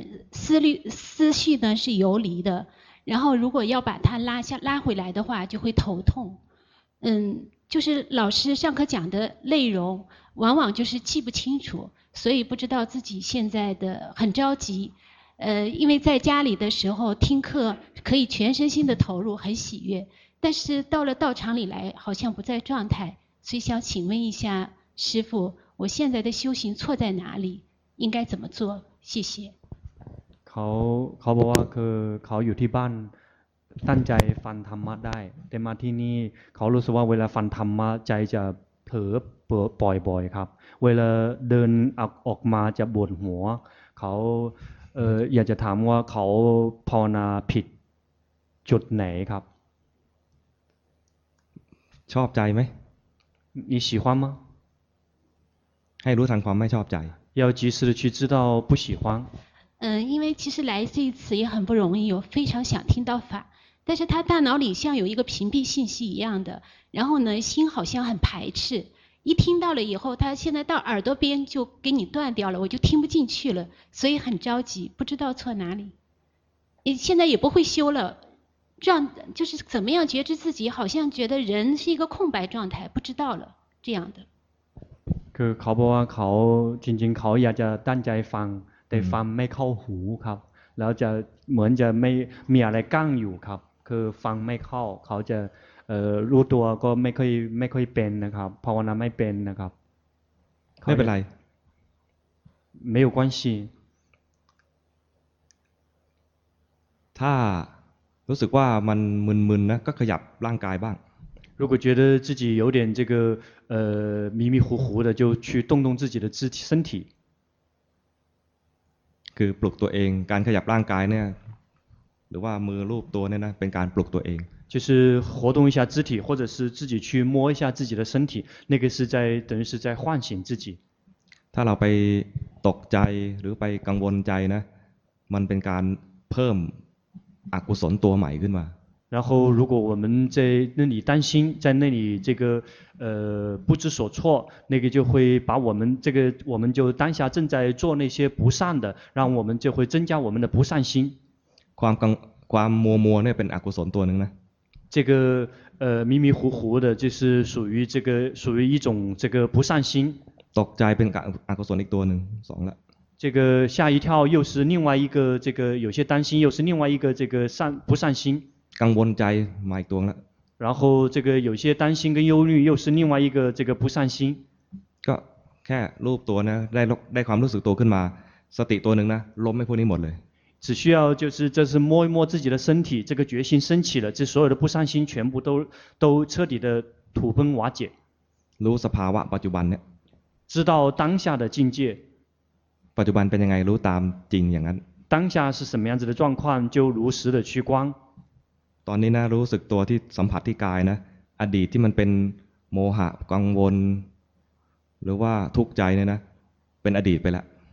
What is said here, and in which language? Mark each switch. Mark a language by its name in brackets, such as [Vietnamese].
[Chinese] 思绪呢是游离的，然后如果要把它拉回来的话就会头痛，就是老师上课讲的内容往往就是记不清楚，所以不知道自己现在的很着急，因为在家里的时候听课可以全身心的投入很喜悦，但是到了道场里来好像不在状态，所以想请问一下师父，我现在的修行错在哪里，应该怎么做，谢谢。 [Thai] เขาบอกว่าคือเขาอยู่ที่บ้านตั้งใจฟังธรรมะได้แต่มาที่นี่เขารู้สึกว่าเวลาฟังธรรมะใจจะเผลอปล่อยบ่อยครับเวลาเดินออกมาจะปวดหัวเขา อยากจะถามว่าเขาภาวนาผิดจุดไหนครับ ชอบใจไ [Chinese] หม你喜欢吗 [Thai] ให้รู้ทันความไม่ชอบใจ [Chinese] 要及时的去知道不喜欢因为其实来这一次也很不容易，我非常想听到法，但是他大脑里像有一个屏蔽信息一样的，然后呢心好像很排斥，一听到了以后他现在到耳朵边就给你断掉了，我就听不进去了，所以很着急，不知道错哪里，现在也不会修了，这样就是怎么样觉知自己，好像觉得人是一个空白状态，不知道了这样的。 [Thai] คือเขาบอกว่าเขาจริงๆเขาอยากจะตั้งใจฟังแต่ฟังไม่เข้าหูครับแล้วจะเหมือนจะไม่มีอะไรกั้งอยู่ครับคือฟังไม่เข้าเขาจะรู้ตัวก็ไม่ค่อยเป็นนะครับภาวนาไม่เป็นนะครับ ไม่เป็นไร ไม่ [Chinese] 有关系 [Thai] ถ้ารู้สึกว่ามันมึนๆนะก็ขยับร่างกายบ้าง [Chinese] 如果觉得自己有点这个迷迷糊糊的就去动动自己的肢体身体 [Thai] คือปลุกตัวเองการขยับร่างกายเนี่ยหรือว่ามือรูปตัวเนี่ยนะเป็นการปลุกตัวเอง [Chinese] 就是活动一下肢体或者是自己去摸一下自己的身体那个是在等于是在唤醒自己 [Thai] ถ้าเราไปตกใจหรือไปกังวลใจนะมันเป็นการเพิ่มอกุศลตัวใหม่ขึ้นมา [Chinese] 然后如果我们在那里担心在那里这个不知所措那个就会把我们这个我们就当下正在做那些不善的让我们就会增加我们的不善心 [Thai] ความมัวมัวเนี่ยเป็นอกุศลตัวนึงนะ [Chinese] 这个迷迷糊糊的就是属于这个属于一种这个不善心 [Thai] ตกใจเป็นอกุศลอีกตัวนึง2ละ [Chinese] 这个吓一跳又是另外一个这个有些担心又是另外一个这个善不善心 [Thai] กังวลใจมาอีกตัวละ [Chinese] 然后这个有些担心跟忧虑又是另外一个这个不善心 [Thai] ก็แค่รูปตัวนะได้ความรู้สึกตัวขึ้นมาสติตัวนึงนะล้มไม่พวกนี้หมดเลย [Chinese] 只需要就是这是摸一摸自己的身体这个决心升起了这所有的不善心全部都彻底的土崩瓦解 [Thai] รู้สภาวะปัจจุบันเนี่ย [Chinese] 知道当下的境界 [Thai] ปัจจุบันเป็นยังไงรู้ตามจริงอย่างนั้น [Chinese] 当下是什么样子的状况就如实的去观 [Thai] ตอนนี้นะรู้สึกตัวที่สัมผัสที่กายนะอดีตที่มันเป็นโมหะกังวลหรือว่าทุกข์ใจเนี่ยนะเป็นอดีตไปแล้ว